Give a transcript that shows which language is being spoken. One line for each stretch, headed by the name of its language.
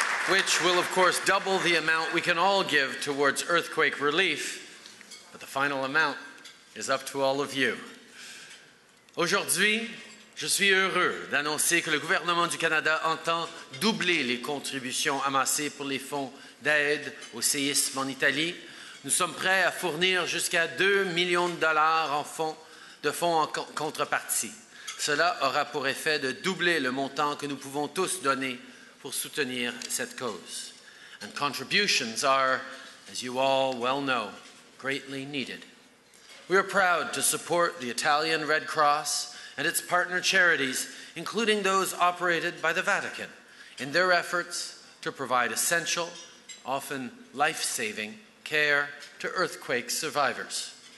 English: Which will, of course, double the amount we can all give towards earthquake relief, but the final amount is up to all of you.
French: Aujourd'hui, je suis heureux d'annoncer que le gouvernement du Canada entend doubler les contributions amassées pour les fonds d'aide au séisme en Italie. Nous sommes prêts à fournir jusqu'à 2 millions de dollars en fonds en contrepartie. Cela aura pour effet de doubler le montant que nous pouvons tous donner pour soutenir cette cause.
English: And contributions are, as you all well know, greatly needed. We are proud to support the Italian Red Cross and its partner charities, including those operated by the Vatican, in their efforts to provide essential, often life-saving, care to earthquake survivors.